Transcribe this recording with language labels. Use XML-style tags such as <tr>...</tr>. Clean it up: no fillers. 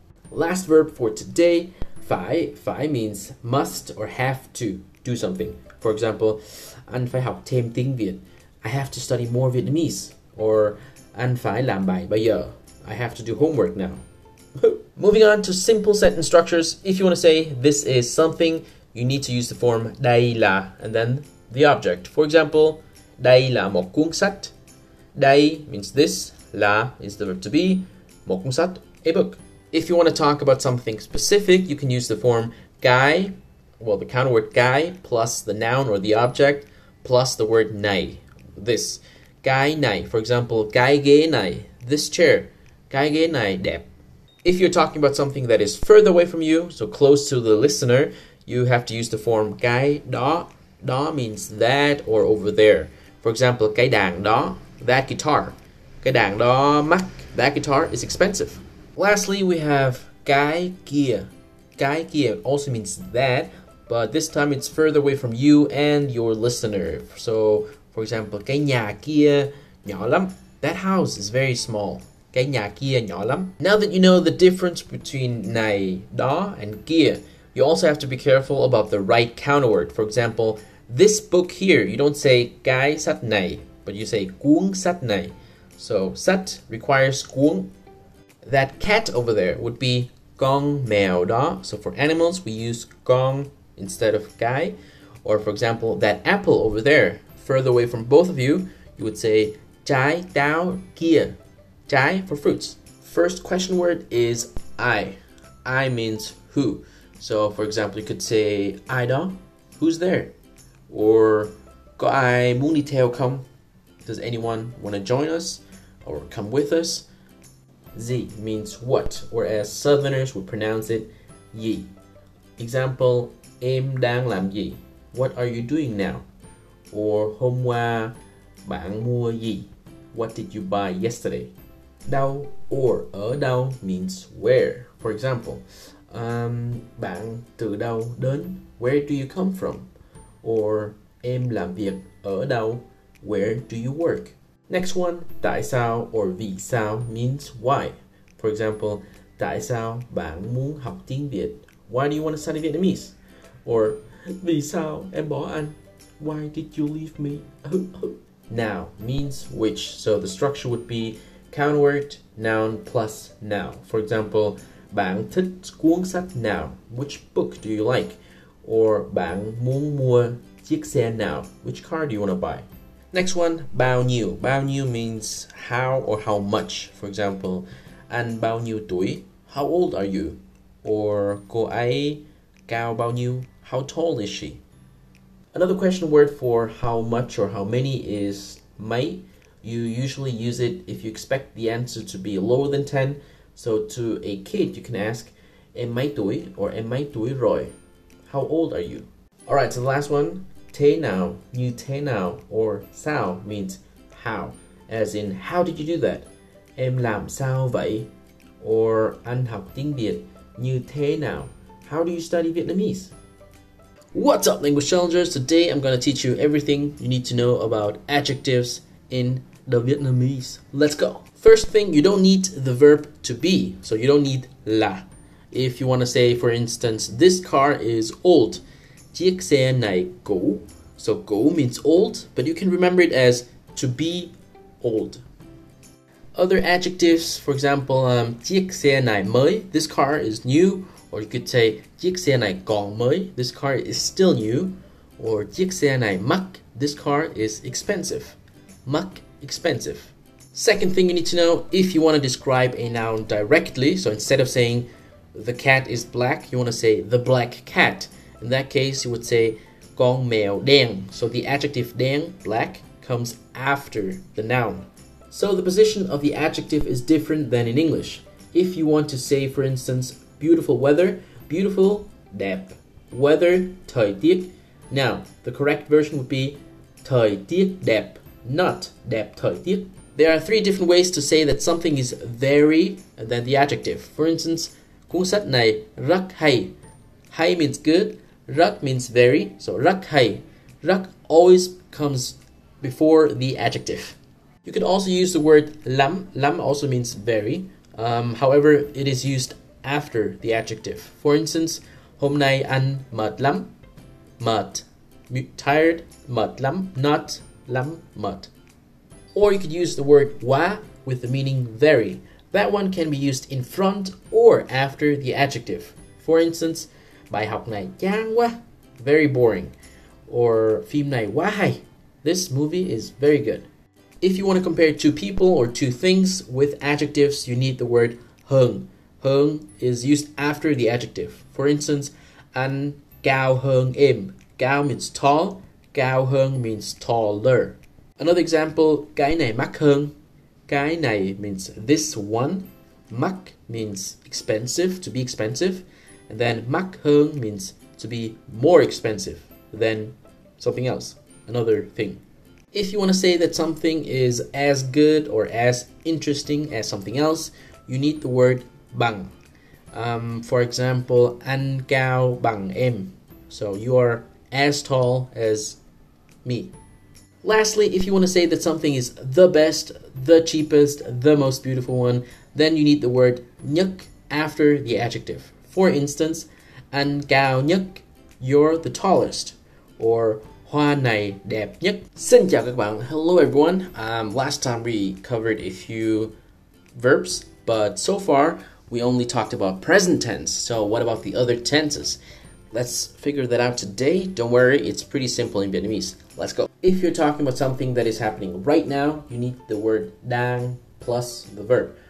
<en>Last verb for today, phải. Phải means must or have to do something. For example,</en> <vi>anh phải học thêm tiếng Việt,</vi> <en>I have to study more Vietnamese. Or</en> <vi>anh phải làm bài bây giờ,</vi> <en>I have to do homework now. Moving on to simple sentence structures. If you want to say this is something, you need to use the form đây là and then the object. For example,</en> <vi>đây là một cuốn sách.</vi> <en>Đây means this, là is the verb to be, một cuốn sách, a book. If you want to talk about something specific, you can use the form cái, well, the counter word cái, plus the noun or the object, plus the word này, this.</en> <vi>Cái này,</vi> <en>for example,</en> <vi>cái ghế này,</vi> <en>this chair,</en> <vi>cái ghế này đẹp.</vi> <en>If you're talking about something that is further away from you, so close to the listener, you have to use the form cái đó, đó means that or over there. For example,</en> <vi>cái đàn đó,</vi> <en>that guitar,</en> <vi>cái đàn đó mắc,</vi> <en>that guitar is expensive. Lastly, we have cái kia. Cái kia also means that, but this time it's further away from you and your listener. So, for example,</en> <vi>cái nhà kia nhỏ lắm.</vi> <en>That house is very small.</en> <vi>Cái nhà kia nhỏ lắm.</vi> <en>Now that you know the difference between này, đó, and kia, you also have to be careful about the right counterword. For example, this book here, you don't say</en> <vi>cái sách này,</vi> <en>but you say</en> <vi>cuốn sách này.</vi> <en>So, sách requires cuốn. That cat over there would be</en> <vi>con mèo đó.</vi> <en>So for animals, we use con instead of cái. Or for example, that apple over there, further away from both of you, you would say</en> <vi>trái táo kia.</vi> <en>Trái for fruits. First question word is ai. Ai means who. So for example, you could say</en> <vi>ai đó,</vi> <en>who's there?</en> <vi>Or có ai muốn đi theo không?</vi> <en>Does anyone want to join us or come with us? Z means what, whereas Southerners would pronounce it yi. Example,</en> <vi>em đang làm gì?</vi> <en>What are you doing now? Or</en> <vi>hôm qua bạn mua gì?</vi> <en>What did you buy yesterday? Đâu or ở đâu means where. For example,</en> <vi>bạn từ đâu đến?</vi> <en>Where do you come from? Or</en> <vi>em làm việc ở đâu?</vi> <en>Where do you work? Next one, tại sao or vì sao means why. For example,</en> <vi>tại sao bạn muốn học tiếng Việt?</vi> <en>Why do you want to study Vietnamese? Or</en> <vi>vì sao em bỏ anh?</vi> <en>Why did you leave me? Now means which. So the structure would be counterword, noun plus noun. For example,</en> <vi>bạn thích cuốn sách nào?</vi> <en>Which book do you like? Or</en> <vi>bạn muốn mua chiếc xe nào?</vi> <en>Which car do you want to buy? Next one, bao nhiêu. Bao nhiêu means how or how much. For example,</en> <vi>anh bao nhiêu tuổi?</vi> <en>How old are you? Or</en> <vi>cô ấy cao bao nhiêu?</vi> <en>How tall is she? Another question word for how much or how many is mấy. You usually use it if you expect the answer to be lower than 10. So to a kid, you can ask,</en> <vi>em mấy tuổi</vi> <en>or</en> <vi>em mấy tuổi rồi?</vi> <en>How old are you? All right, so the last one. Thế nào, như thế nào, or sao means how, as in how did you do that?</en> <vi>Em làm sao vậy? Or anh học tiếng Việt như thế nào?</vi> <en>How do you study Vietnamese? What's up, language challengers? Today I'm going to teach you everything you need to know about adjectives in the Vietnamese. Let's go. First thing, you don't need the verb to be, so you don't need là. If you want to say, for instance, this car is old.</en> <vi>Chiếc xe này cũ.</vi> <en>So cũ means old, but you can remember it as to be old. Other adjectives, for example,</en> <vi>chiếc xe này mới.</vi> <en>This car is new. Or you could say</en> <vi>chiếc xe này còn mới.</vi> <en>This car is still new. Or</en> <vi>chiếc xe này mắc.</vi> <en>This car is expensive. Mắc, expensive. Second thing you need to know, if you want to describe a noun directly, so instead of saying the cat is black, you want to say the black cat. In that case, you would say</en> <vi>con mèo đen.</vi> <en>So the adjective đen, black, comes after the noun. So the position of the adjective is different than in English. If you want to say, for instance, beautiful weather, beautiful, đẹp. Weather, thời tiết. Now, the correct version would be</en> <vi>thời tiết đẹp,</vi> <en>not</en> <vi>đẹp thời tiết.</vi> <en>There are three different ways to say that something is very than the adjective. For instance,</en> <vi>cuốn sách này rất hay.</vi> <en>Hay means good. Rất means very, so</en> <vi>rất hay.</vi> <en>Rất always comes before the adjective. You could also use the word lắm. Lắm also means very. However, it is used after the adjective. For instance,</en> <vi>hôm nay anh mệt lắm. Mệt, tired. Mệt lắm, not lắm, mệt.</vi> <en>Or you could use the word quá with the meaning very. That one can be used in front or after the adjective.</en> <vi>For instance, bài học này chán quá,</vi> <en>very boring. Or</en> <vi>phim này quá hay,</vi> <en>this movie is very good. If you want to compare two people or two things with adjectives, you need the word hơn. Hơn is used after the adjective. For instance,</en> <vi>anh cao hơn em.</vi> <en>Cao means tall.</en> <vi>Cao hơn</vi> <en>means taller. Another example,</en> <vi>cái này mắc hơn.</vi> <en>Cái này means this one. Mắc means expensive, to be expensive. And then</en> <vi>mắc hơn</vi> <en>means to be more expensive than something else, another thing. If you want to say that something is as good or as interesting as something else, you need the word bằng. For example,</en> <vi>anh cao bằng em.</vi> <en>So you are as tall as me. Lastly, if you want to say that something is the best, the cheapest, the most beautiful one, then you need the word nhất after the adjective. For instance,</en> <vi>anh cao nhất,</vi> <en>you're the tallest,</en> <vi>or hoa này đẹp nhất. Xin chào các bạn.</vi> <en>Hello everyone. Last time we covered a few verbs, but so far we only talked about present tense. So what about the other tenses? Let's figure that out today. Don't worry, it's pretty simple in Vietnamese. Let's go. If you're talking about something that is happening right now, you need the word đang plus the verb.</en>